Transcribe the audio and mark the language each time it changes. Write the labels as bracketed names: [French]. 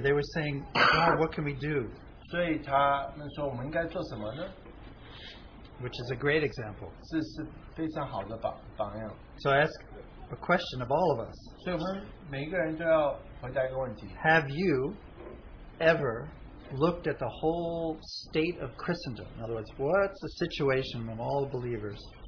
[English] They were saying, God, what can we do? [Chinese] 所以他们说我们应该做什么呢? [English] Which is a great example. [Chinese] 是非常好的榜样。 [English] So I ask a question of all of us. [Chinese] 所以我们每一个人都要回答一个问题。 [English] Have you ever looked at the whole state of Christendom? In other words, what's the situation of all believers?